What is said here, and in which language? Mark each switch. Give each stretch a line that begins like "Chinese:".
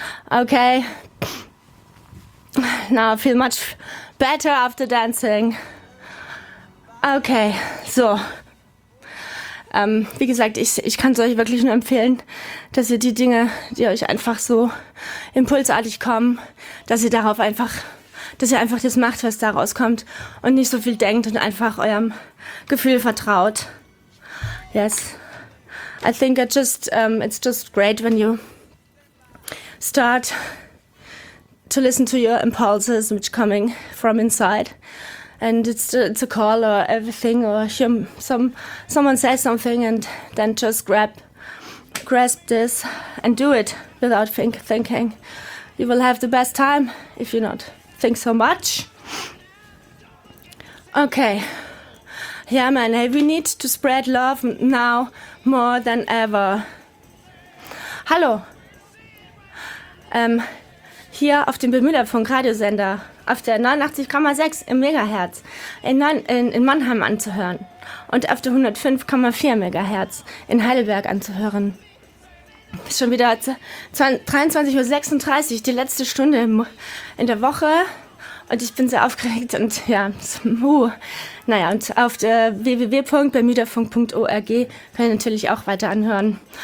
English: Okay, now I feel much better after dancing.
German: Okay, so, wie gesagt, ich kann es euch wirklich nur empfehlen, dass ihr die Dinge, die euch einfach so impulsartig kommen, dass ihr einfach das macht, was da rauskommt und nicht so viel denkt und einfach eurem Gefühl vertraut.
English: Yes, I think it's just great when you start to listen to your impulses which coming from inside, and it's a call or everything, or someone says something, and then just grasp this and do it without thinking. You will have the best time if you not think so much. Okay, yeah man, hey, we need to spread love now more than ever.
German: Hallo. Hier auf dem Bemühlerfunk Radiosender auf der 89,6 im Megahertz in Mannheim anzuhören und auf der 105,4 Megahertz in Heidelberg anzuhören. Ist schon wieder 23.36 Uhr, die letzte Stunde in der Woche, und ich bin sehr aufgeregt und ja, naja, und auf der www.bemühlerfunk.org kann ich natürlich auch weiter anhören.